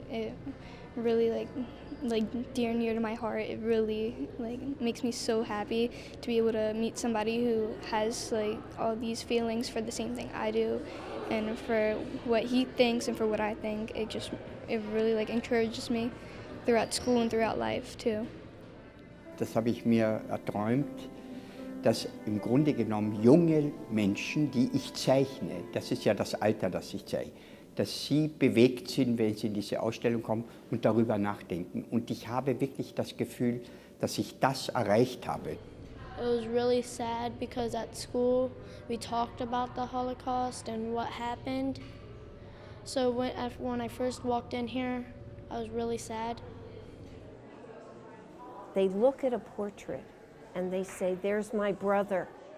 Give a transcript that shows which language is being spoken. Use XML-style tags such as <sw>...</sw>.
<en>It really, like dear and near to my heart, it really, like, makes me so happy to be able to meet somebody who has, like, all these feelings for the same thing I do, and for what he thinks and for what I think. It really, like, encourages me throughout school and throughout life, too.</en> <de>Das habe ich mir erträumt, dass im Grunde genommen junge Menschen, die ich zeichne, das ist ja das Alter, das ich zeichne, dass sie bewegt sind, wenn sie in diese Ausstellung kommen und darüber nachdenken. Und ich habe wirklich das Gefühl, dass ich das erreicht habe.</de> <en>It was really sad because at school we talked about the Holocaust and what happened. So when I first walked in here, I was really sad. They look at a portrait and they say, there's my brother.</en>